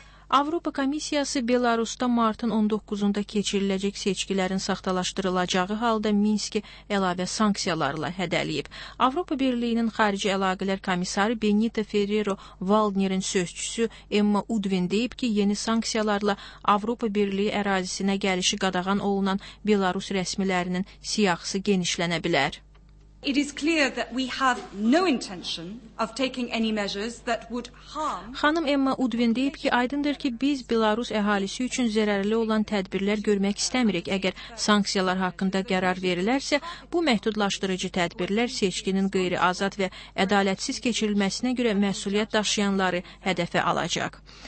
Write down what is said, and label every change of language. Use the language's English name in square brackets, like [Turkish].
[Azerbaijani] Avropa Komissiyası Belarusda martın 19-unda keçiriləcək seçkilərin saxtalaşdırılacağı halda Minski əlavə sanksiyalarla hədələyib. Avropa Birliyinin Xarici Əlaqələr Komissarı Benito Ferrero Waldner'in sözçüsü Emma Udvin deyib ki, yeni sanksiyalarla Avropa Birliyi ərazisinə gəlişi qadağan olunan Belarus rəsmilərinin siyahısı genişlənə bilər. [English] It is clear that we have no intention of taking any measures that would harm. [Azerbaijani] Xanım Emma Udvin deyib ki, aydındır ki, biz Belarus əhalisi üçün zərərli olan tədbirlər görmək istəmirik. Əgər sanksiyalar haqqında qərar verilərsə, bu məhdudlaşdırıcı tədbirlər seçkinin qeyri-azad və ədalətsiz keçirilməsinə görə məsuliyyət daşıyanları hədəfə alacaq.